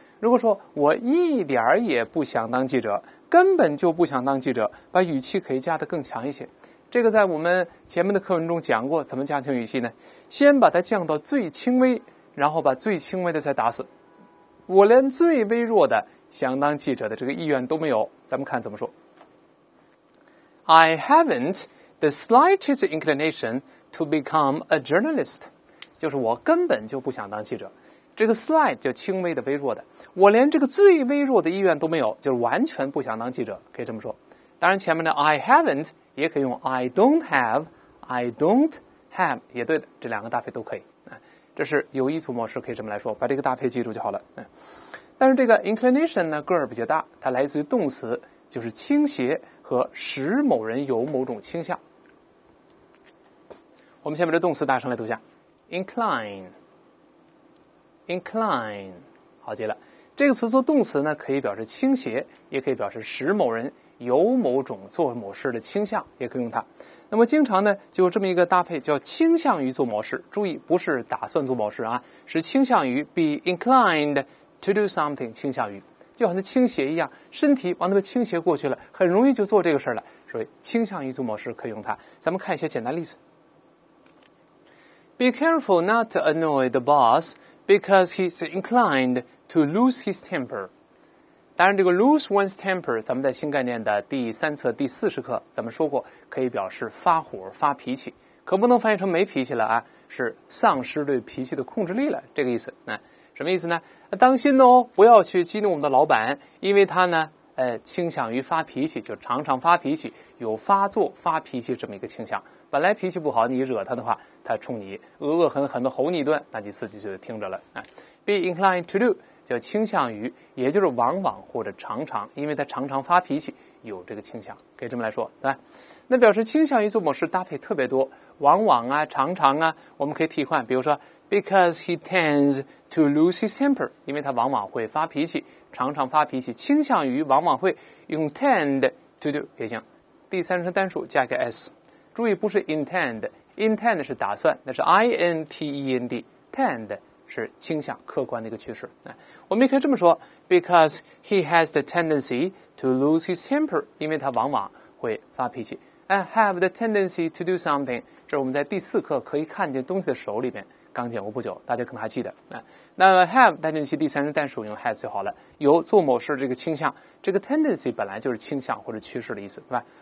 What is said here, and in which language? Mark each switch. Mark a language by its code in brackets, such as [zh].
[zh] 如果说我一点也不想当记者。根本就不想当记者，把语气可以加得更强一些。这个在我们前面的课文中讲过，怎么加强语气呢？先把它降到最轻微，然后把最轻微的再打死。我连最微弱的想当记者的这个意愿都没有，咱们看怎么说。 [en] I haven't the slightest inclination to become a journalist. [zh] 就是我根本就不想当记者。这个 slight 就轻微的微弱的，我连这个最微弱的意愿都没有，就是完全不想当记者，可以这么说。当然前面的 [en] I haven't [zh] 也可以用 [en] I don't have， [zh] I don't have 也对的，这两个搭配都可以。这是有意图模式，可以这么来说，把这个搭配记住就好了。但是这个 inclination 呢，个儿比较大，它来自于动词，就是倾斜和使某人有某种倾向。我们先把这动词大声来读一下 incline。Incline， 好记了。这个词做动词呢，可以表示倾斜，也可以表示使某人有某种做某事的倾向，也可以用它。那么经常呢，就这么一个搭配，叫倾向于做某事。注意，不是打算做某事啊，是倾向于 [en] be inclined to do something， [zh] 倾向于，就好像倾斜一样，身体往那边倾斜过去了，很容易就做这个事了。所以倾向于做某事可以用它。咱们看一些简单例子。 [en] Be careful not to annoy the boss. Because he's inclined to lose his temper. [zh] 当然这个 lose one's temper， 咱们在新概念的第三册第四十课咱们说过，可以表示发火发脾气，可不能翻译成没脾气了啊，是丧失对脾气的控制力了，这个意思。什么意思呢？当心哦，不要去激怒我们的老板，因为他呢倾向于发脾气，就常常发脾气，有发作发脾气这么一个倾向。本来脾气不好，你惹他的话，他冲你恶恶狠狠地吼你一顿，那你自己就听着了。 [en] Be inclined to do， [zh] 叫倾向于，也就是往往或者常常，因为他常常发脾气，有这个倾向，可以这么来说，对吧？那表示倾向于做某事搭配特别多，往往啊，常常啊，我们可以替换，比如说 ， [en] because he tends to lose his temper， [zh] 因为他往往会发脾气，常常发脾气，倾向于往往会用 tend to do 也行，第三人称单数加个 s。注意不是 intend 是打算，那是 intend， tend 是倾向客观的一个趋势。我们也可以这么说， [en] because he has the tendency to lose his temper， [zh] 因为他往往会发脾气。 [en] I have the tendency to do something， [zh] 这是我们在第四课可以看见东西的手里面刚讲过不久，大家可能还记得。那 have 带进去第三人单数用 has 就好了，有做某事这个倾向，这个 tendency 本来就是倾向或者趋势的意思，对吧？